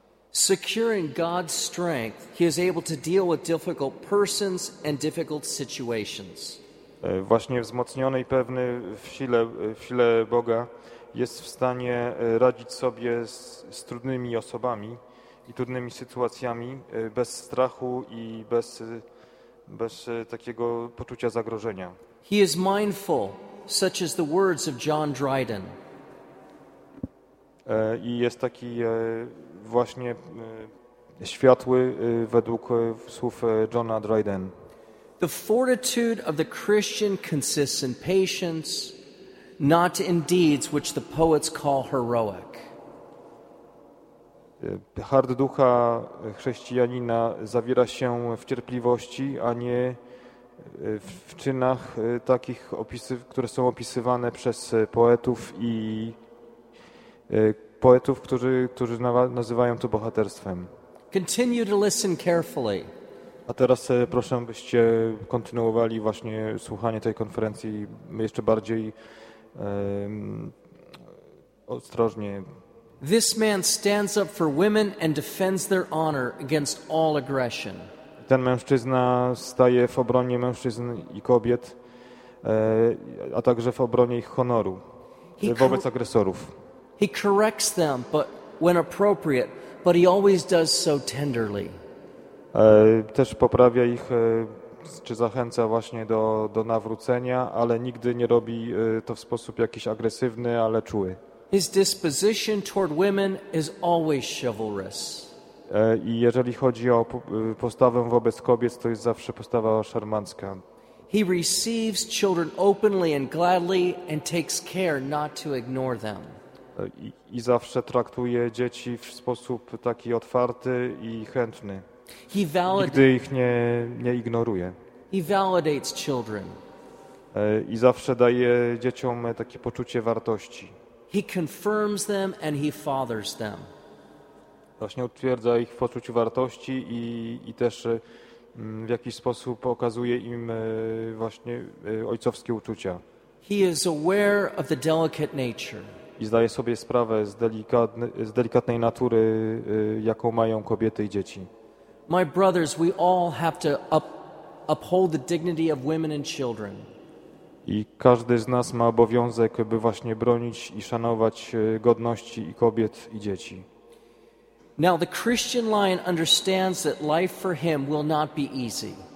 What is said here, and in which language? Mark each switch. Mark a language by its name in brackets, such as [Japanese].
[English] Securing God's strength, he is able to deal with difficult persons and difficult situations. [Polish] Właśnie wzmocniony i pewny w sile Boga jest w stanie radzić sobie z trudnymi osobami i trudnymi sytuacjami bez strachu i bez takiego poczucia zagrożenia. [English] He is mindful, such as the words of John Dryden. [Polish] I jest taki właśnie światły według słów Johna Dryden. [English] The fortitude of the Christian consists in patience, not in deeds which the poets call heroic. [Polish] Hart ducha chrześcijanina zawiera się w cierpliwości, a nie w czynach takich, które są opisywane przez poetów i poetów, którzy nazywają to bohaterstwem. [English] Continue to listen carefully. [Polish] A teraz proszę, byście kontynuowali właśnie słuchanie tej konferencji jeszcze bardziej ostrożnie. [English] This man stands up for women and defends their honor against all aggression. [Polish] Ten mężczyzna staje w obronie mężczyzn i kobiet, a także w obronie ich honoru wobec agresorów. [English] He corrects them, but when appropriate, but he always does so tenderly. [Polish] Też poprawia ich, czy zachęca właśnie do nawrócenia, ale nigdy nie robi to w sposób jakiś agresywny, ale czuły. [English] His disposition toward women is always chivalrous. [Polish] I jeżeli chodzi o postawę wobec kobiet, to jest zawsze postawa szarmancka. [English] He receives children openly and gladly and takes care not to ignore them. [Polish] I zawsze traktuje dzieci w sposób taki otwarty i chętny. Nigdy ich nie ignoruje. [English] He validates children. [Polish] I zawsze daje dzieciom takie poczucie wartości. [English] He confirms them and he fathers them. [Polish] Właśnie utwierdza ich w poczuciu wartości i też w jakiś sposób okazuje im właśnie ojcowskie uczucia. [English] He is aware of the delicate nature. [Polish] I zdaje sobie sprawę z delikatnej natury, jaką mają kobiety i dzieci. [English] My brothers, we all have to uphold the dignity of women and children. [Polish] I każdy z nas ma obowiązek, by właśnie bronić i szanować godności i kobiet i dzieci. [English] Now the Christian lion understands that life for him will not be easy.